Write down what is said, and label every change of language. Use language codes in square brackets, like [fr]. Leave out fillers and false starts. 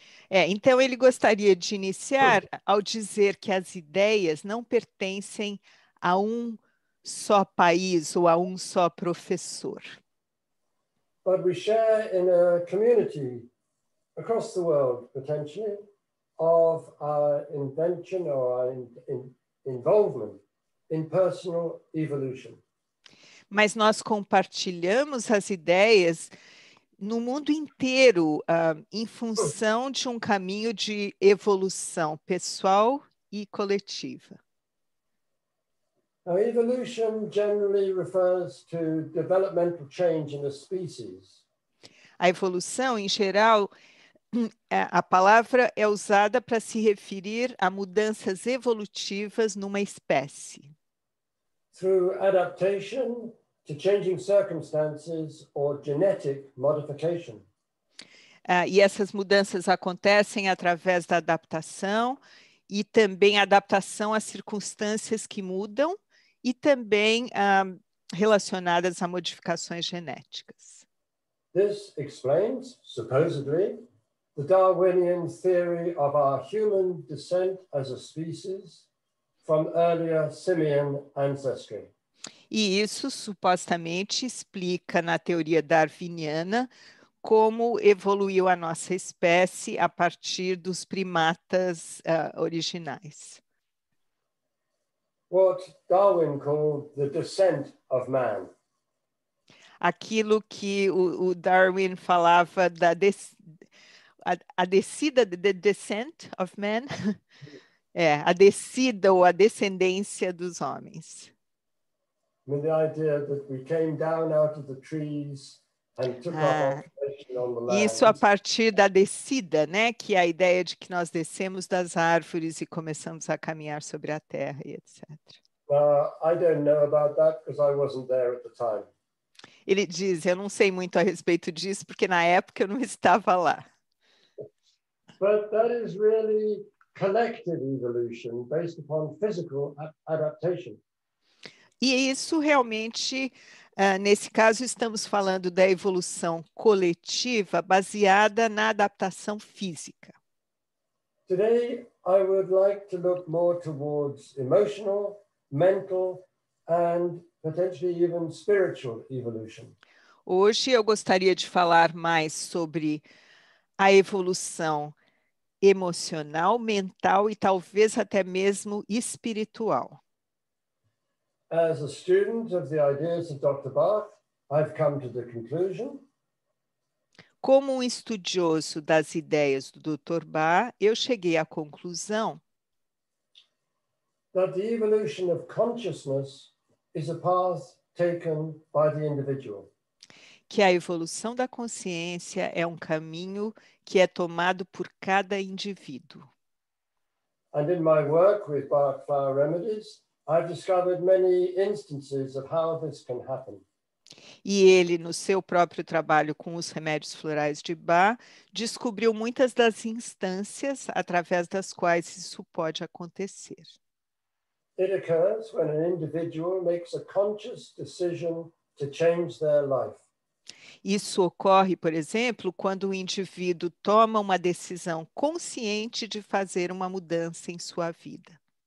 [pt] Então ele gostaria de iniciar ao dizer que as ideias não pertencem a um só país ou a um só professor. [en] But we share in a community across the world, potentially, of our invention or our involvement in personal evolution. [pt] Mas nós compartilhamos as ideias no mundo inteiro, em função de um caminho de evolução pessoal e coletiva. [en] Now, evolution generally refers to developmental change in a species. [pt] A evolução, em geral, a palavra é usada para se referir a mudanças evolutivas numa espécie. [en] Through adaptation to changing circumstances or genetic modification. [pt] E essas mudanças acontecem através da adaptação e também adaptação às circunstâncias que mudam e também relacionadas a modificações genéticas. [en] This explains, supposedly, the Darwinian theory of our human descent as a species from earlier simian ancestry. [pt] E isso supostamente explica, na teoria darwiniana, como evoluiu a nossa espécie a partir dos primatas originais. [en] What Darwin called the descent of man. [pt] Aquilo que o Darwin falava da descida, [en] the descent of man. [pt] É, a descida ou a descendência dos homens. [en] With the idea that we came down out of the trees and took our occupation on the land. [pt] Isso a partir da descida, né? Que a ideia de que nós descemos das árvores e começamos a caminhar sobre a terra e etc. [en] I don't know about that because I wasn't there at the time. [pt] Ele diz, eu não sei muito a respeito disso porque na época eu não estava lá. [en] But that is really collective evolution based upon physical adaptation. [pt] E isso realmente, nesse caso, estamos falando da evolução coletiva baseada na adaptação física. [en] Today, I would like to look more towards emotional, mental, and potentially even spiritual evolution. [pt] Hoje, eu gostaria de falar mais sobre a evolução emocional, mental e talvez até mesmo espiritual. [en] As a student of the ideas of Dr. Barth, I've come to the conclusion. [pt] Como um estudioso das ideias do Dr. Barth, eu cheguei à conclusão [en] that the evolution of consciousness is a path taken by the individual. [pt] Que a evolução da consciência é um caminho que é tomado por cada indivíduo. [en] And in my work with Barth Flower Remedies, I've discovered many instances of how this can happen. [pt] E ele, no seu próprio trabalho com os remédios florais de Bach, descobriu muitas das instâncias através das quais isso pode acontecer. [en] It occurs when an individual makes a conscious decision to change their life. [pt] Isso ocorre, por exemplo, quando o indivíduo toma uma decisão consciente de fazer uma mudança em sua vida.